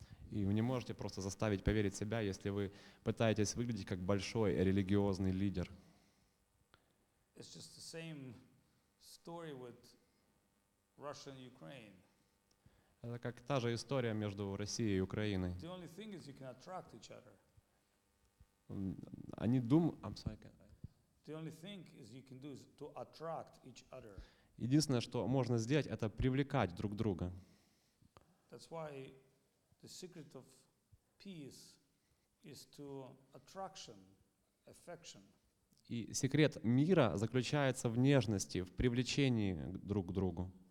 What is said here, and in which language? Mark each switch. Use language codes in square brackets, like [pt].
[ru] И вы не можете просто заставить поверить в себя, если вы пытаетесь выглядеть как большой религиозный лидер. [en] It's just the same story with Russia and Ukraine. [ru] Это как та же история между Россией и Украиной. [en] The only thing is you can attract each other. [ru] Они думают... [en] I'm sorry. The only thing is you can do is to attract each other. [ru] Единственное, что можно сделать, это привлекать друг друга. [en] That's why the secret of peace is to attraction, affection. [ru] И секрет мира заключается в нежности, в привлечении друг к другу.